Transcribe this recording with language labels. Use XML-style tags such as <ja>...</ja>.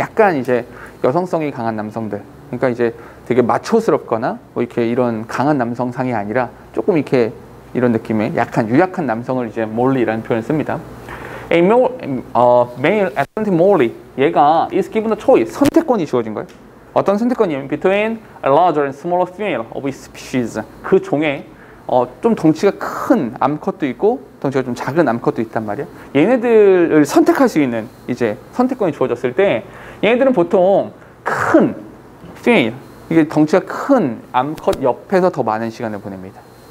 <ko>약간 이제 여성성이 강한 남성들. 그러니까 이제 되게 마초스럽거나 뭐 이렇게 이런 강한 남성상이 아니라 조금 이렇게 이런 느낌의 약한 유약한 남성을 이제 molly라는 표현을 씁니다.</ko> <en>A male Atlantic molly.</en> <ko>얘가</ko> <en>is given a choice.</en> <ko>선택권이 주어진 거예요. 어떤 선택권이냐면</ko> <en>between a larger and smaller female of his species.</en> <ko>그 종의 좀 덩치가 큰 암컷도 있고 덩치가 좀 작은 암컷도 있단 말이야. 얘네들을 선택할 수 있는 이제 선택권이 주어졌을 때 얘네들은 보통 큰 female 이게 덩치가 큰 암컷 옆에서 더 많은 시간을 보냅니다.</ko>